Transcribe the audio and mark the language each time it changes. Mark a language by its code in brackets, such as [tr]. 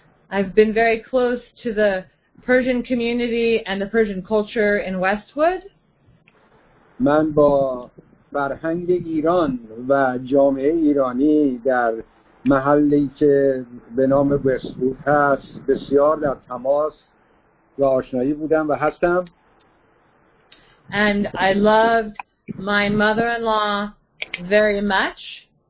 [en] I've been very close to the Persian community and the Persian culture in Westwood. [fa] من با فرهنگ ایران و جامعه ایرانی در محلی که به نام وستوود هست بسیار در تماس و آشنایی بودم و هستم. [en] And I loved my mother-in-law very much.